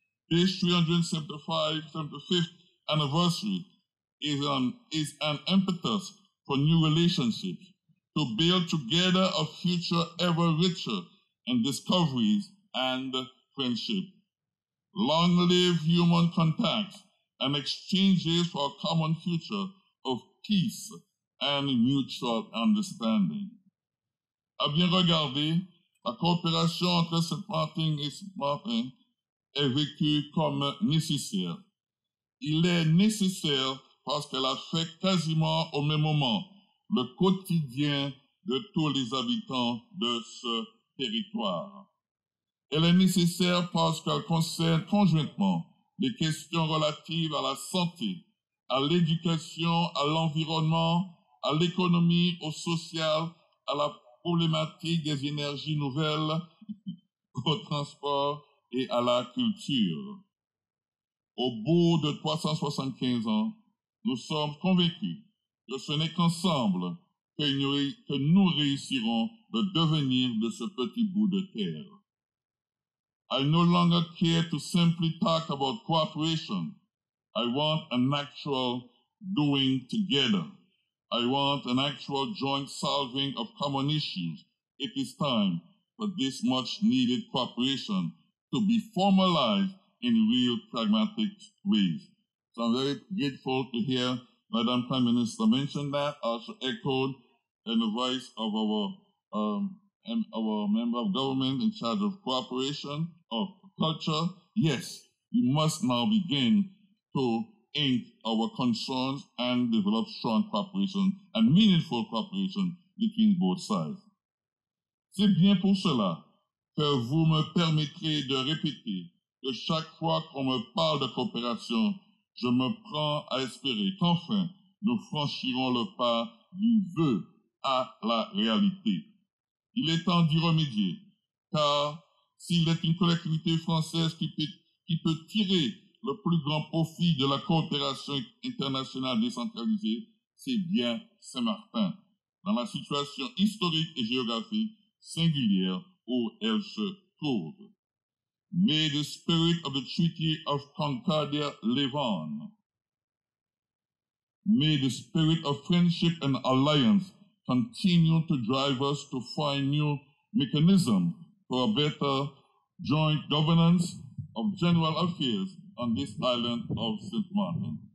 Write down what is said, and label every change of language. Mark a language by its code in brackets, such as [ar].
[en] This 375th anniversary is an impetus for new relationships, to build together a future ever richer in discoveries and friendship. Long live human contacts and exchanges for a common future of peace and mutual understanding. [fr] À bien regarder, la coopération entre Saint-Martin et Saint-Martin est vécue comme nécessaire. Il est nécessaire parce qu'elle affecte quasiment au même moment le quotidien de tous les habitants de ce territoire. Il est nécessaire parce qu'elle concerne conjointement les questions relatives à la santé, à l'éducation, à l'environnement, à l'économie, au social, à la problématique des énergies nouvelles, au transport et à la culture. Au bout de 375 ans, nous sommes convaincus que ce n'est qu'ensemble que nous réussirons de devenir de ce petit bout de terre. [en] I no longer care to simply talk about cooperation. I want an actual doing together. I want an actual joint solving of common issues. It is time for this much needed cooperation to be formalized in real pragmatic ways. So I'm very grateful to hear Madam Prime Minister mention that, also echoed in the voice of our member of government in charge of cooperation, of culture. Yes, we must now begin to ink our concerns and develop strong cooperation and meaningful cooperation between both sides. [fr] C'est bien pour cela que vous me permettrez de répéter que chaque fois qu'on me parle de coopération, je me prends à espérer qu'enfin nous franchirons le pas du vœu à la réalité. Il est temps d'y remédier, car s'il est une collectivité française qui peut tirer le plus grand profit de la coopération internationale décentralisée, c'est bien Saint-Martin, dans la situation historique et géographique singulière où elle se trouve. [en] May the spirit of the Treaty of Concordia live on. May the spirit of friendship and alliance continue to drive us to find new mechanisms for a better joint governance of general affairs on this island of St. Martin.